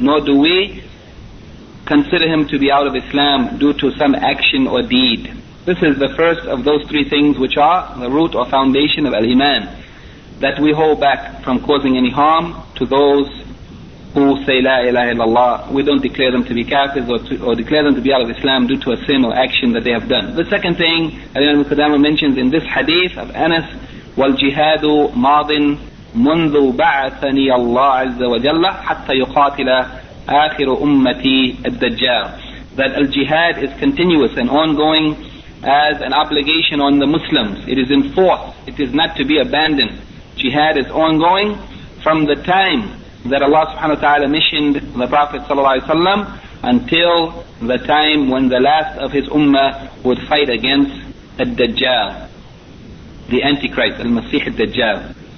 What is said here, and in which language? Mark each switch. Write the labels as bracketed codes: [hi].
[en] Nor do we consider him to be out of Islam due to some action or deed. This is the first of those three things which are the root or foundation of Al-Iman, that we hold back from causing any harm to those who say La ilaha illallah. We don't declare them to be kafirs or declare them to be out of Islam due to a sin or action that they have done. The second thing Al-Imam Al-Qadama mentions in this hadith of Anas, [ar] وَالْجِهَادُ مَاضٍ مُنْذُ بَعَثَنِيَ اللَّهُ عَزَّ وَجَلَّ حَتَّى يُقَاتِلَ آخِرُ أُمَّتِي الدَّجَّالِ. [en] That Al-Jihad is continuous and ongoing as an obligation on the Muslims. It is in force. It is not to be abandoned. Jihad is ongoing from the time that Allah subhanahu wa ta'ala missioned the Prophet sallallahu alayhi wa sallam until the time when the last of his ummah would fight against Al-Dajjal, the Antichrist, Al-Masih Al-Dajjal.